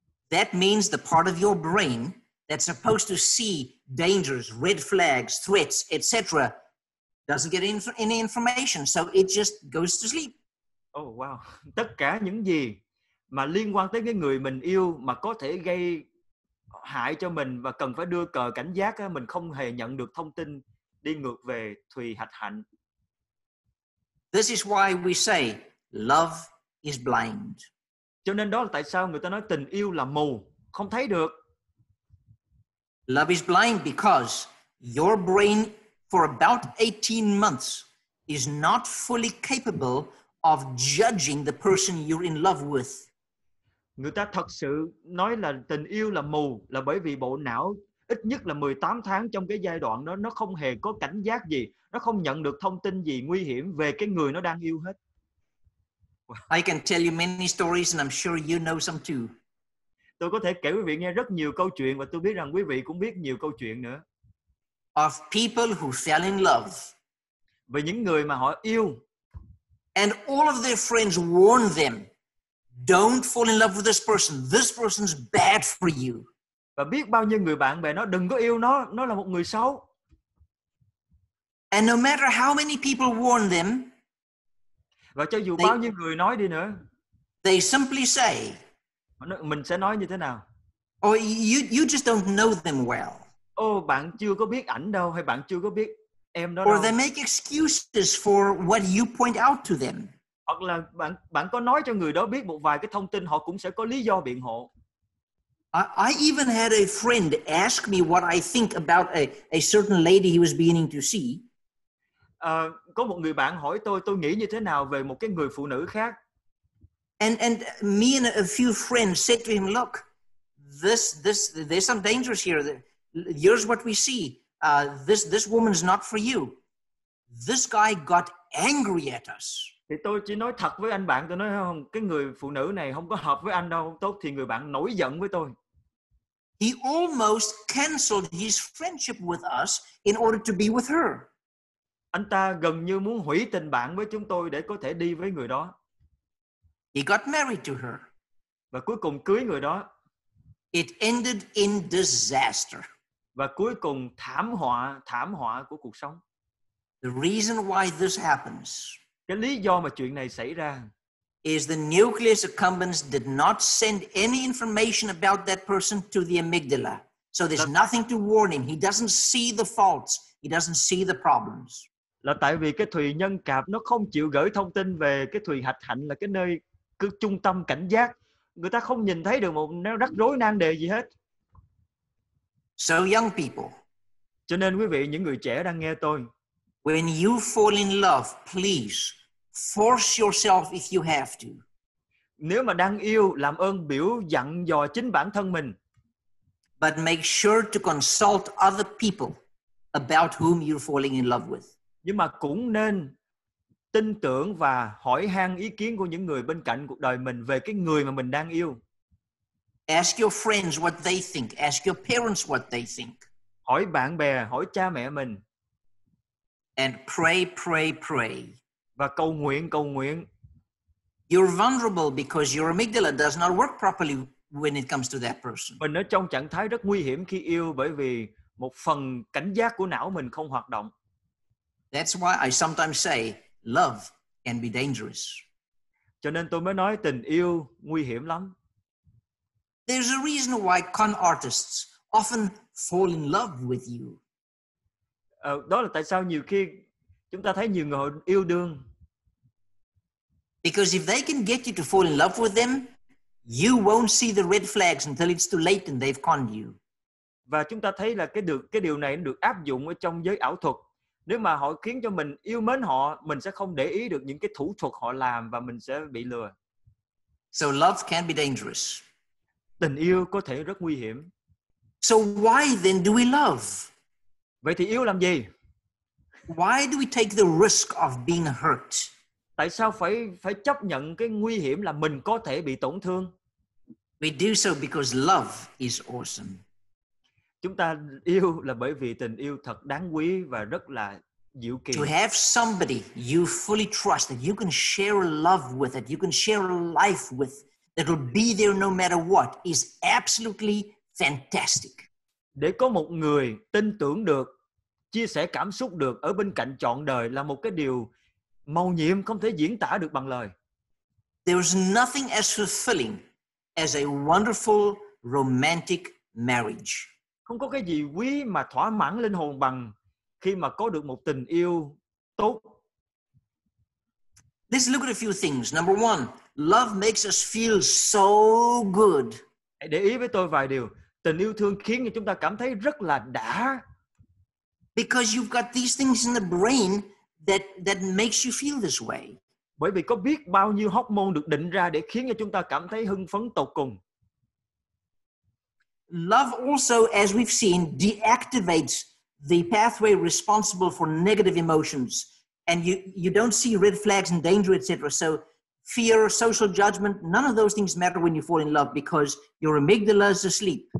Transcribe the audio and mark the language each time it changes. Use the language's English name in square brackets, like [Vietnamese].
[English] That means the part of your brain that's supposed to see dangers, red flags, threats, etc., doesn't get any information, so it just goes to sleep. [Vietnamese] Oh wow, tất cả những gì mà liên quan tới cái người mình yêu mà có thể gây hại cho mình và cần phải đưa cờ cảnh giác, mình không hề nhận được thông tin đi ngược về thùy hạch hạnh. [English] This is why we say love is blind. [Vietnamese] Cho nên đó là tại sao người ta nói tình yêu là mù, không thấy được. [English] Love is blind because your brain for about 18 months is not fully capable of judging the person you're in love with. [Vietnamese] Người ta thật sự nói là tình yêu là mù là bởi vì bộ não ít nhất là 18 tháng trong cái giai đoạn đó nó không hề có cảnh giác gì, nó không nhận được thông tin gì nguy hiểm về cái người nó đang yêu hết. [English] I can tell you many stories and I'm sure you know some too. [Vietnamese] tôi có thể kể quý vị nghe rất nhiều câu chuyện, và tôi biết rằng quý vị cũng biết nhiều câu chuyện nữa. [English] Of people who fell in love. [Vietnamese] Về những người mà họ yêu. [English] And all of their friends warn them, don't fall in love with this person. This person's bad for you. [Vietnamese] Và biết bao nhiêu người bạn bè nói đừng có yêu nó là một người xấu. [English] And no matter how many people warn them, [Vietnamese] và cho dù bao nhiêu người nói đi nữa, [English] they simply say, [Vietnamese] mình sẽ nói như thế nào? [English] Or you just don't know them well. [Vietnamese] Oh, bạn chưa có biết ảnh đâu, hay bạn chưa có biết em đó đâu. [English] Or they make excuses for what you point out to them. [Vietnamese] Hoặc là bạn có nói cho người đó biết một vài cái thông tin, họ cũng sẽ có lý do biện hộ. [English] I even had a friend ask me what I think about a certain lady he was beginning to see. [Vietnamese] Có một người bạn hỏi tôi nghĩ như thế nào về một cái người phụ nữ khác. [English] And me and a few friends said to him, look, this there's some dangers here. Here's what we see. This woman's not for you. This guy got angry at us. [Vietnamese] Thì tôi chỉ nói thật với anh bạn, tôi nói không, cái người phụ nữ này không có hợp với anh đâu, không tốt. Thì người bạn nổi giận với tôi. [English] He almost canceled his friendship with us in order to be with her. [Vietnamese] Anh ta gần như muốn hủy tình bạn với chúng tôi để có thể đi với người đó. [English] He got married to her. [Vietnamese] Và cuối cùng cưới người đó. [English] It ended in disaster. [Vietnamese] Và cuối cùng thảm họa của cuộc sống. [English] The reason why this happens, [Vietnamese] cái lý do mà chuyện này xảy ra, [English] is the nucleus accumbens did not send any information about that person to the amygdala. So there's nothing to warn him. He doesn't see the faults. He doesn't see the problems. [Vietnamese] Là tại vì cái thùy nhân cạp nó không chịu gửi thông tin về cái thùy hạch hạnh, là cái nơi cứ trung tâm cảnh giác. Người ta không nhìn thấy được một rắc rối nan đề gì hết. [English] So young people, [Vietnamese] cho nên quý vị, những người trẻ đang nghe tôi, [English] when you fall in love, please force yourself if you have to. [Vietnamese] Nếu mà đang yêu, làm ơn biểu dặn dò chính bản thân mình. [English] But make sure to consult other people about whom you're falling in love with. [Vietnamese] Nhưng mà cũng nên tin tưởng và hỏi han ý kiến của những người bên cạnh cuộc đời mình về cái người mà mình đang yêu. [English] Ask your friends what they think. Ask your parents what they think. [Vietnamese] Hỏi bạn bè, hỏi cha mẹ mình. [English] And pray, pray, pray. [Vietnamese] Và cầu nguyện. [English] You're vulnerable because your amygdala does not work properly when it comes to that person. [Vietnamese] Mình ở trong trạng thái rất nguy hiểm khi yêu, bởi vì một phần cảnh giác của não mình không hoạt động. [English] That's why I sometimes say love can be dangerous. [Vietnamese] Cho nên tôi mới nói tình yêu nguy hiểm lắm. [English] There's a reason why con artists often fall in love with you. [Vietnamese] Đó là tại sao nhiều khi chúng ta thấy nhiều người yêu đương. [English] Because if they can get you to fall in love with them, you won't see the red flags until it's too late and they've conned you. [Vietnamese] Và chúng ta thấy là cái điều này được áp dụng ở trong giới ảo thuật. Nếu mà họ khiến cho mình yêu mến họ, mình sẽ không để ý được những cái thủ thuật họ làm và mình sẽ bị lừa. [English] So love can be dangerous. [Vietnamese] Tình yêu có thể rất nguy hiểm. [English] So why then do we love? [Vietnamese] Vậy thì yêu làm gì? [English] Why do we take the risk of being hurt? [Vietnamese] Tại sao phải chấp nhận cái nguy hiểm là mình có thể bị tổn thương? [English] We do so because love is awesome. [Vietnamese] Chúng ta yêu là bởi vì tình yêu thật đáng quý và rất là diệu kỳ. [English] To have somebody you fully trust that you can share love with, that you can share life with, that will be there no matter what is absolutely fantastic. [Vietnamese] Để có một người tin tưởng được, chia sẻ cảm xúc được, ở bên cạnh trọn đời là một cái điều mầu nhiệm không thể diễn tả được bằng lời. [English] There is nothing as fulfilling as a wonderful romantic marriage. [Vietnamese] Không có cái gì quý mà thỏa mãn linh hồn bằng khi mà có được một tình yêu tốt. [English] Let's look at a few things. Number one, love makes us feel so good. [Vietnamese] Hãy để ý với tôi vài điều. Tình yêu thương khiến cho chúng ta cảm thấy rất là đã. [English] Because you've got these things in the brain that makes you feel this way. [Vietnamese] Bởi vì có biết bao nhiêu hormone được định ra để khiến cho chúng ta cảm thấy hưng phấn tột cùng. [English] Love also, as we've seen, deactivates the pathway responsible for negative emotions. And you don't see red flags and danger, etc. So fear, social judgment, none of those things matter when you fall in love because your amygdala is asleep.